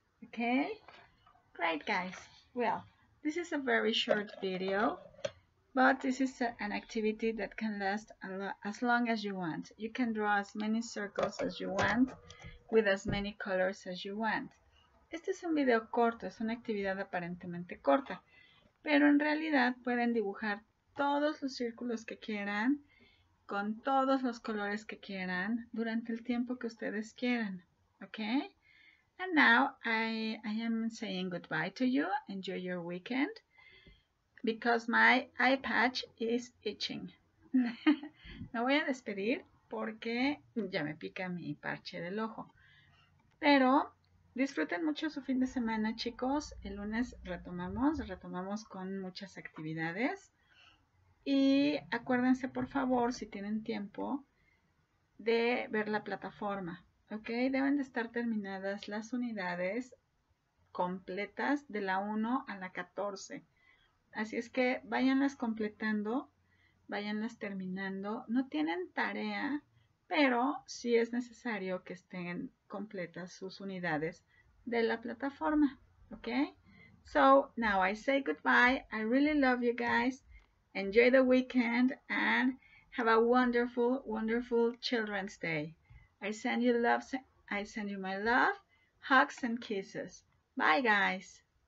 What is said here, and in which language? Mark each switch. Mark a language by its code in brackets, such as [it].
[en] Okay, great, guys. Well, this is a very short video. But this is an activity that can last as long as you want. You can draw as many circles as you want, with as many colors as you want. [es] Este es un video corto, es una actividad aparentemente corta. Pero en realidad pueden dibujar todos los círculos que quieran, con todos los colores que quieran, durante el tiempo que ustedes quieran. [en] Okay? And now I am saying goodbye to you. Enjoy your weekend. Because my eye patch is itching. [es] Me voy a despedir porque ya me pica mi parche del ojo. Pero disfruten mucho su fin de semana, chicos. El lunes retomamos con muchas actividades. Y acuérdense, por favor, si tienen tiempo, de ver la plataforma. Ok, deben de estar terminadas las unidades completas de la 1 a la 14. Así es que váyanlas completando, váyanlas terminando. No tienen tarea, pero sí es necesario que estén completas sus unidades de la plataforma. [en] Ok, so now I say goodbye. I really love you guys. Enjoy the weekend and have a wonderful, wonderful Children's Day. I send you love, I send you my love, hugs and kisses. Bye, guys.